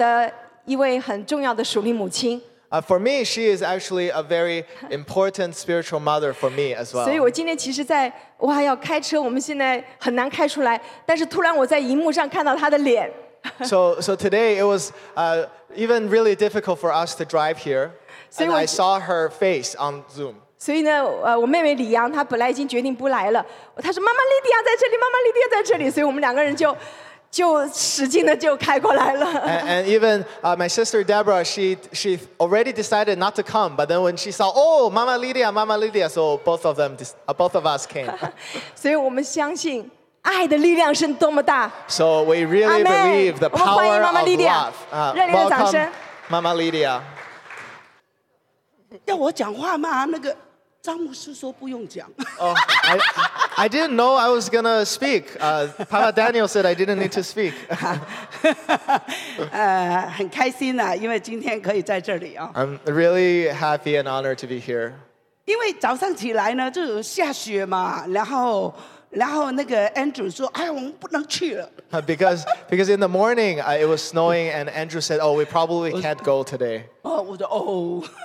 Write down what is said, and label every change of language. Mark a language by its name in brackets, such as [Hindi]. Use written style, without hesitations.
[Chinese] 对我来说，她是我的一位很重要的属灵母亲。 [English] For me, she is actually a very important spiritual mother for me as well. [Chinese] 所以我今天其实在，哇，要开车，我们现在很难开出来，但是突然我在荧幕上看到她的脸。 [English] So today it was even really difficult for us to drive here, and I saw her face on Zoom. [Chinese] 所以呢，我妹妹李阳她本来已经决定不来了，她说妈妈莉迪亚在这里，妈妈莉迪亚在这里，所以我们两个人就。 [English] And even my sister Deborah, she already decided not to come, but then when she saw, oh, Mama Lydia, so both of us came. [Chinese] 所以我们相信爱的力量是多么大。 [English] So we really believe the power of love. Welcome, Mama Lydia. [Chinese] 要我讲话吗？那个。张牧师说不用讲。 [English] Oh, I didn't know I was going to speak. Papa Daniel said I didn't need to speak. [Chinese] 很开心啊，因为今天可以在这里啊。 [English] I'm really happy and honored to be here. [Chinese] 因为早上起来呢，就下雪嘛，然后那个 Andrew 说，哎，我们不能去了。 [English] Because in the morning it was snowing, and Andrew said, oh, we probably can't go today. [Chinese] 我说, oh.